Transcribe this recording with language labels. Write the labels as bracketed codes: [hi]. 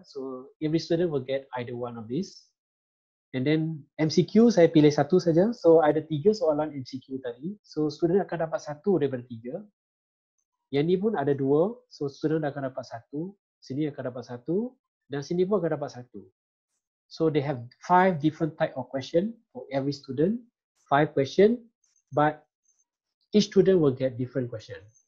[en] So every student will get either one of these. [ms] And then MCQ saya pilih 1 saja. So ada 3 soalan MCQ tadi. So student akan dapat 1 daripada 3. Yang ni pun ada 2, so student akan dapat 1, sini akan dapat 1, dan sini pun akan dapat 1. [en] So they have 5 different type of question for every student, 5 question, but each student will get different question.